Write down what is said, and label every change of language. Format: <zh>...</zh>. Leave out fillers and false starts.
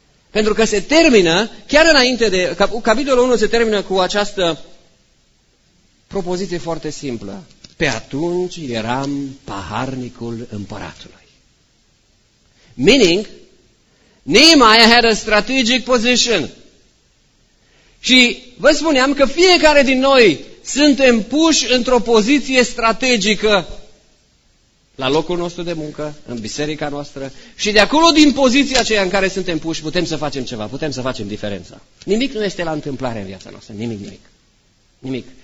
<ro>Pentru că se termină, chiar înainte de capitolul 1 se termină cu această propoziție foarte simplă. Pe atunci eram paharnicul împăratului.</ro> <en>Meaning, Nehemiah had a strategic position.</en> <ro>Și vă spuneam că fiecare din noi suntem puși într-o poziție strategică la locul nostru de muncă, în biserica noastră, și de acolo, din poziția aceea în care suntem puși, putem să facem ceva, putem să facem diferența. Nimic nu este la întâmplare în viața noastră, nimic.</ro>